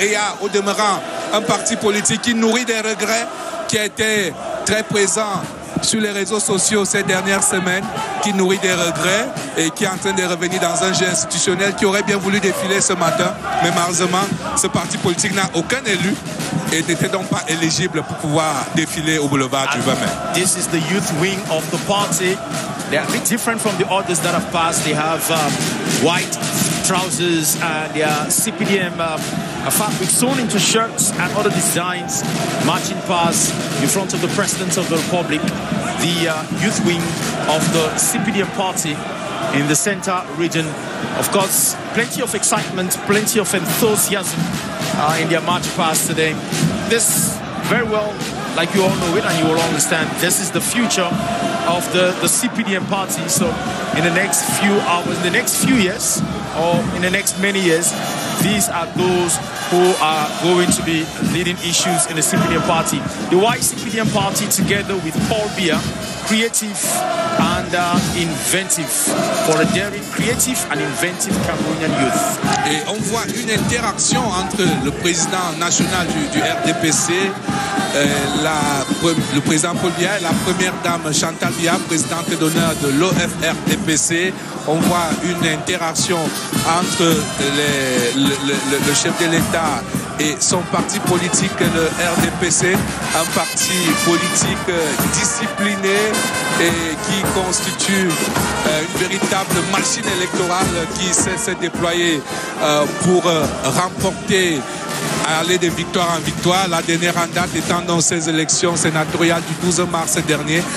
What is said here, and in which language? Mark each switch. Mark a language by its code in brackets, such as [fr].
[fr] Et il y a au demeurant un parti politique qui nourrit des regrets, qui a été très présent sur les réseaux sociaux ces dernières semaines, qui nourrit des regrets et qui est en train de revenir dans un jeu institutionnel, qui aurait bien voulu défiler ce matin, mais malheureusement, ce parti politique n'a aucun élu et n'était donc pas éligible pour pouvoir défiler au boulevard du 20 mai. [en] This is the youth wing of the party. They are a bit different from the others that have passed. They have white trousers and their CPDM fabric sewn into shirts and other designs, marching past in front of the President of the Republic, the youth wing of the CPDM party in the center region. Of course, plenty of excitement, plenty of enthusiasm in their march past today. This very well, like you all know it and you all understand, this is the future of the CPDM party. So in the next few hours, in the next few years, or in the next many years, these are those who are going to be leading issues in the CPDM party. The white CPDM party, together with Paul Biya, creative and inventive, for a daring, creative and inventive Cameroonian youth. [fr] Et on voit une interaction entre le président national du RDPC, le président Paul Biya, et la première dame Chantal Biya, présidente d'honneur de l'OFRDPC. On voit une interaction entre le chef de l'État et son parti politique, le RDPC, un parti politique discipliné et qui constitue une véritable machine électorale qui s'est déployée pour remporter, aller de victoire en victoire, la dernière en date étant dans ces élections sénatoriales du 12 mars dernier.